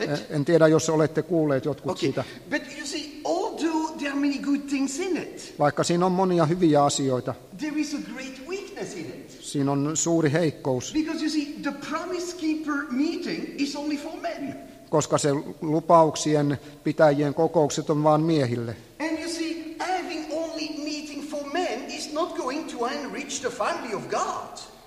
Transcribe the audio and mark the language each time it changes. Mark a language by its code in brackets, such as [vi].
[fi] En tiedä, jos olette kuulleet jotkut siitä. [en] But you see, although there are many good things in it, [fi] vaikka siinä on monia hyviä asioita, [en] there is a great weakness in it. [fi] Siinä on suuri heikkous. [en] Because you see, the promise keeper meeting is only for men. [fi] Koska se lupauksien pitäjien kokoukset on vain miehille. [en] And you see, having only meeting for men is not going to enrich the family of God.